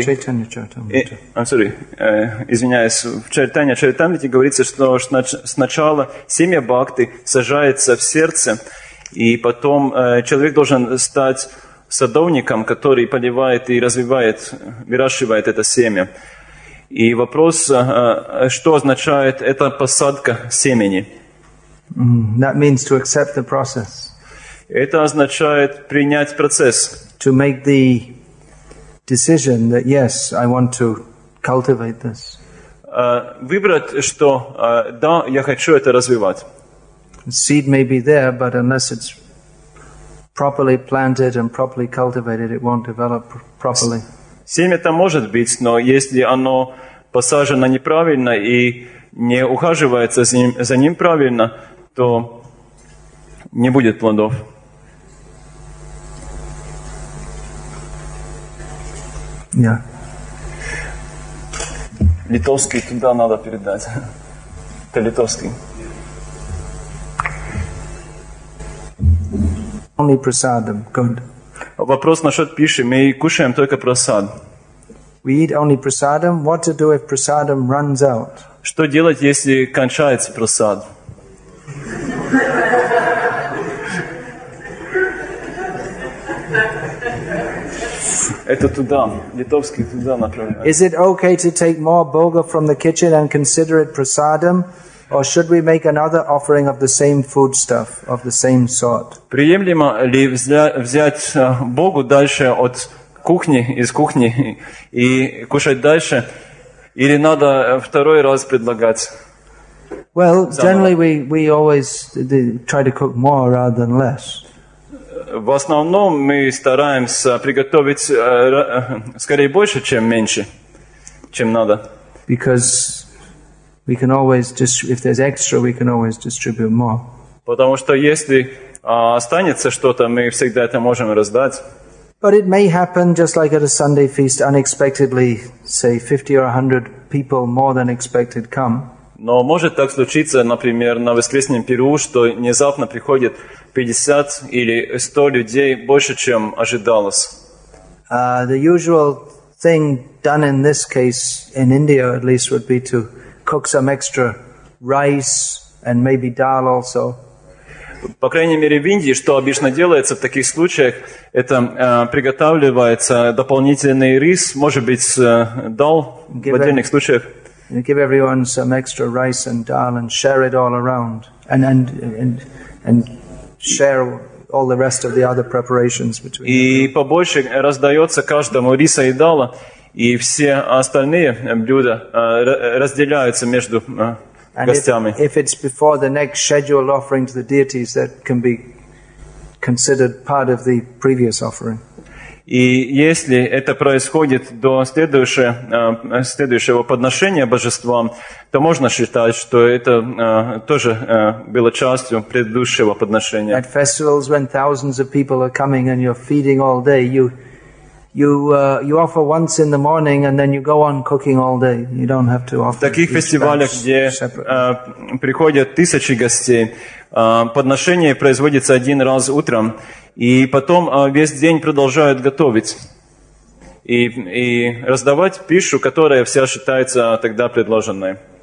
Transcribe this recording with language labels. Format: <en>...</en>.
<ru>В Чайтанья Чаритамрите говорится, что сначала семя бхакти сажается в сердце, и потом человек должен стать садовником, который поливает и развивает, выращивает это семя. И вопрос, что означает эта посадка семени?</ru> <en>That means to accept the process.</en> <ru>Это означает принять процесс.</ru> <en>To make the decision that yes, I want to cultivate this.</en> <ru>Выбрать, что да, я хочу это развивать.</ru> <en>Seed may be there, but unless it's properly planted and properly cultivated, it won't develop properly.</en> <ru>Семя-то может быть, но если оно посажено неправильно и не ухаживается за ним правильно, то не будет плодов. Yeah. Литовский туда надо передать. Это литовский.</ru> <en>Only prasadam, good.</en> <ru>Вопрос насчет пищи. Мы кушаем только прасад.</ru> <en>We eat only prasadam. What to do if prasadam runs out?</en> <ru>Что делать, если кончается прасад? Это туда, литовский туда направляется.</ru> <en>Is it okay to take more bhoga from the kitchen and consider it prasadam? Or should we make another offering of the same foodstuff, of the same sort?</en> <ru>Приемлемо ли взять богу дальше от кухни, из кухни, и кушать дальше? Или надо второй раз предлагать?</ru> <en>Well, generally we always try to cook more rather than less.</en> <ru>В основном мы стараемся приготовить скорее больше, чем меньше, чем надо.</ru> <en>Because we can always if there's extra, we can always distribute more.</en> <ru>Потому что если останется что-то, мы всегда это можем раздать.</ru> <en>But it may happen just like at a Sunday feast, unexpectedly, say 50 or 100 people more than expected come.</en> <ru>Но может так случиться, например, на воскресном пиру, что внезапно приходит 50 или 100 людей больше, чем ожидалось.</ru> <en>The usual thing done in this case in India, at least, would be to cook some extra rice and maybe dal also.</en> <ru>По крайней мере, в Индии, что обычно делается в таких случаях, это приготавливается дополнительный рис, может быть, дал в отдельных случаях.</ru> <en>Give everyone some extra rice and dal and share it all around and share all the rest of the other preparations between.</en> <ru>И побольше раздается каждому риса и дала. И все остальные блюда разделяются между гостями.</ru> <en>If it's before the next scheduled offering to the deities, that can be considered part of the previous offering.</en> <ru>И если это происходит до следующего подношения божества, то можно считать, что это тоже было частью предыдущего подношения.</ru> <en>At festivals when thousands of people are coming and you're feeding all day, you offer once in the morning and then you go on cooking all day. You don't have to offer.</en> <ru>В таких фестивалях, где приходят тысячи гостей, подношение производится один раз утром. И потом весь день продолжают готовить и раздавать пищу, которая вся считается тогда предложенной.</ru>